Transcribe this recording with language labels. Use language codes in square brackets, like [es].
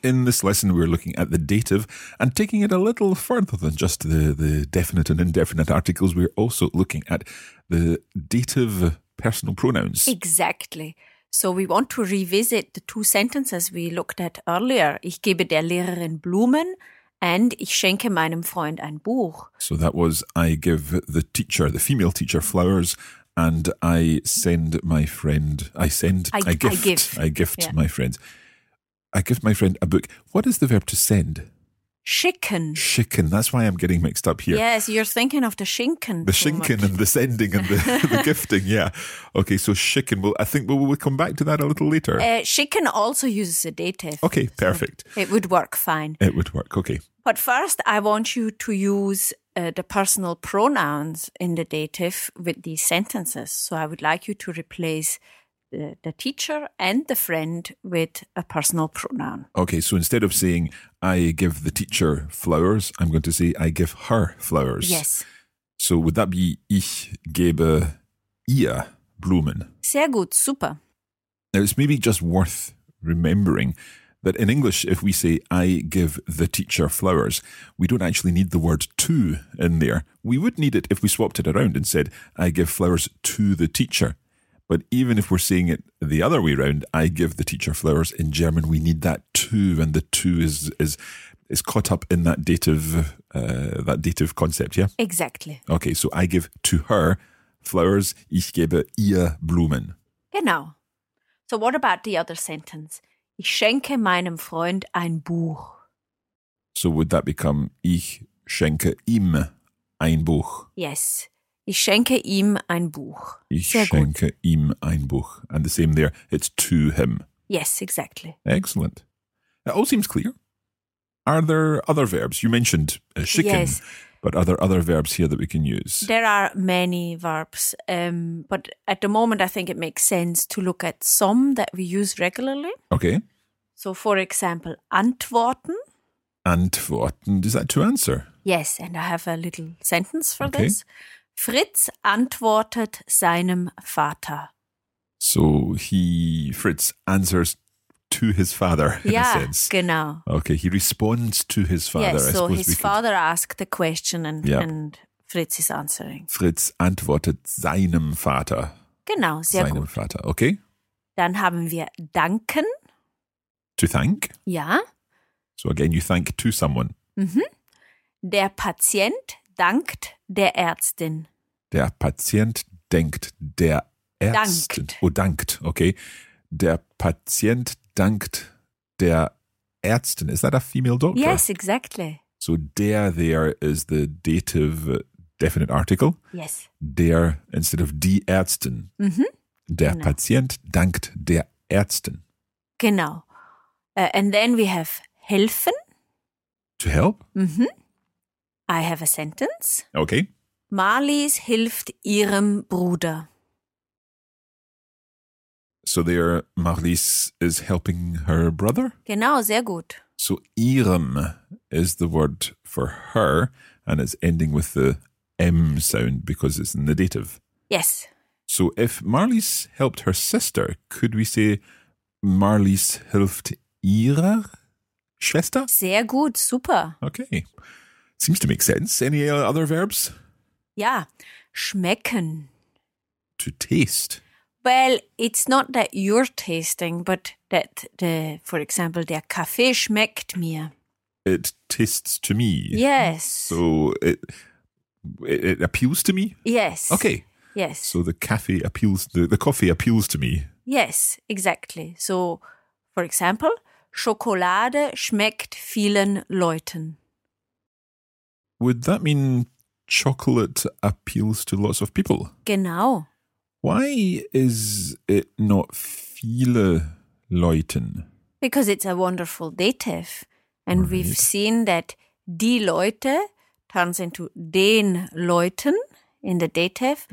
[en] In this lesson, we're looking at the dative and taking it a little further than just the definite and indefinite articles. We're also looking at the dative personal pronouns. Exactly. So we want to revisit the 2 sentences we looked at earlier. [de] Ich gebe der Lehrerin Blumen [en] and [de] ich schenke meinem Freund ein Buch. [en] So that was I give the teacher, the female teacher, flowers. And I send my friend, I gift my friend. I gift my friend a book. What is the verb to send? [de] Schicken. Schicken. [en] That's why I'm getting mixed up here. Yes, you're thinking of the schinken. The schinken and the sending and the gifting, yeah. Okay, so schicken. Well, I think we'll come back to that a little later. Schicken also uses a dative. Okay, perfect. So it would work fine. It would work, okay. But first, I want you to use the personal pronouns in the dative with these sentences. So I would like you to replace the teacher and the friend with a personal pronoun. Okay, so instead of saying, I give the teacher flowers, I'm going to say, I give her flowers. Yes. So would that be, [de] ich gebe ihr Blumen? Sehr gut, super. [en] Now, it's maybe just worth remembering that in English, if we say, I give the teacher flowers, we don't actually need the word to in there. We would need it if we swapped it around and said, I give flowers to the teacher. But even if we're saying it the other way around, I give the teacher flowers in German, we need that too. And the too is caught up in that dative concept, yeah? Exactly. Okay, so I give to her flowers, [de] ich gebe ihr Blumen. Genau. [en] So what about the other sentence? [de] Ich schenke meinem Freund ein Buch. [en] So would that become, [de] ich schenke ihm ein Buch? [en] Yes. [de] Ich schenke ihm ein Buch. Ich schenke ihm ein Buch. [en] And the same there, it's to him. Yes, exactly. Excellent. It all seems clear. Are there other verbs? You mentioned schicken, yes. But are there other verbs here that we can use? There are many verbs, but at the moment I think it makes sense to look at some that we use regularly. Okay. So, for example, antworten. Antworten, is that to answer? Yes, and I have a little sentence for this. [de] Fritz antwortet seinem Vater. [en] So Fritz answers to his father, in a sense. Yeah, genau. Okay, he responds to his father. Yes, so his father asked the question and Fritz is answering. [de] Fritz antwortet seinem Vater. Genau, sehr seinem gut. Seinem Vater, okay. Dann haben wir danken. [en] To thank? [de] Ja. [en] So again, you thank to someone. Mm-hmm. [de] Der Patient dankt der Ärztin. Der Patient denkt der Ärztin. Dankt. [en] Oh, dankt, okay. [de] Der Patient dankt der Ärztin. [en] Is that a female doctor? Yes, exactly. So der there is the dative definite article. Yes. Der instead of die Ärztin. Mm-hmm. [de] Der Patient dankt der Ärztin. [en] Genau. And then we have helfen. To help? Mm-hmm. I have a sentence. Okay. [de] Marlies hilft ihrem Bruder. [en] So there, Marlies is helping her brother? [de] Genau, sehr gut. [en] So ihrem is the word for her and it's ending with the M sound because it's in the dative. Yes. So if Marlies helped her sister, could we say [de] Marlies hilft ihrer Schwester? Sehr gut, super. [en] Okay. Seems to make sense. Any other verbs? Yeah. Schmecken. To taste. Well, it's not that you're tasting, but that the, for example, [de] der Kaffee schmeckt mir. [en] It tastes to me. Yes. So it appeals to me? Yes. Okay. Yes. So the coffee appeals to me. Yes, exactly. So, for example, [de] Schokolade schmeckt vielen Leuten. [en] Would that mean chocolate appeals to lots of people? [de] Genau. [en] Why is it not [de] viele Leuten? [en] Because it's a wonderful dative. And we've seen that [de] die Leute [en] turns into [de] den Leuten [en] in the dative.